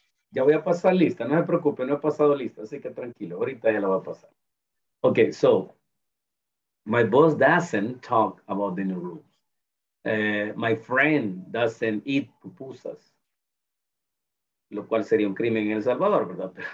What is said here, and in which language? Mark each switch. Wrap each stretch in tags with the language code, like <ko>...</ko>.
<es>Ya voy a pasar lista, no se preocupe, no he pasado lista, así que tranquilo, ahorita ya la va a pasar.</es> <en>Okay, so, my boss doesn't talk about the new rules. My friend doesn't eat pupusas,</en> <es>lo cual sería un crimen en El Salvador, ¿verdad?</es>